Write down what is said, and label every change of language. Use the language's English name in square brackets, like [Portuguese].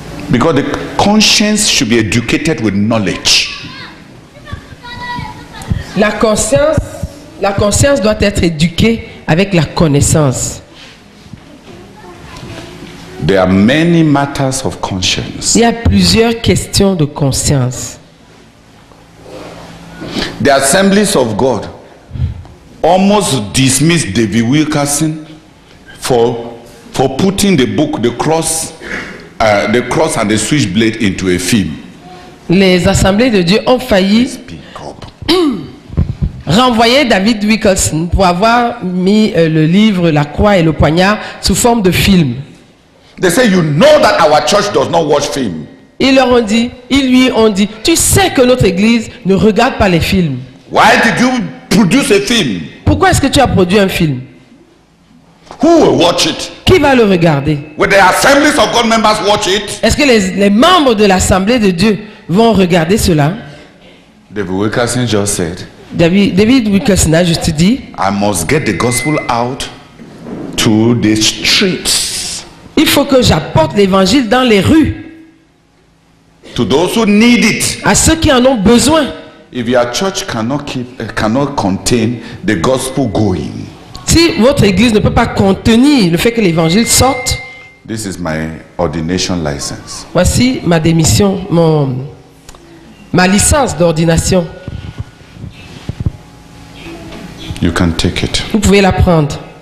[English] Because the conscience should be educated with knowledge. [French] La conscience doit être éduquée avec la connaissance. [English] There are many matters of conscience. [French] Il y a plusieurs questions de conscience. [English] The Assemblies of God almost dismissed David Wilkerson for putting the book, the cross and the switchblade into a film. [French] Les assemblées de Dieu ont failli renvoyer David Wilkerson pour avoir mis le livre La Croix et le Poignard sous forme de film. [English] They say, you know that our church does not watch film. [French] Ils lui ont dit, tu sais que notre église ne regarde pas les films. [English] Why did you produce a film? [French] Pourquoi est-ce que tu as produit un film? [English] Who will watch it? [French] Qui va le regarder? [English] Will the assemblies of God members watch it? [French] Est-ce que les membres de l'assemblée de Dieu vont regarder cela? [English] David Wilkerson just said. [French] David Wilkerson a juste dit, [English] I must get the gospel out to the streets. [French] Il faut que j'apporte l'évangile dans les rues. [English] To those who need it. [French] À ceux qui en ont besoin. [English] If your church cannot contain the gospel going. [French] Si votre église ne peut pas contenir le fait que l'évangile sorte. [English] This is my ordination license. [French] Voici ma démission, ma licence d'ordination. [English] You can take it. [French] Vous pouvez la prendre.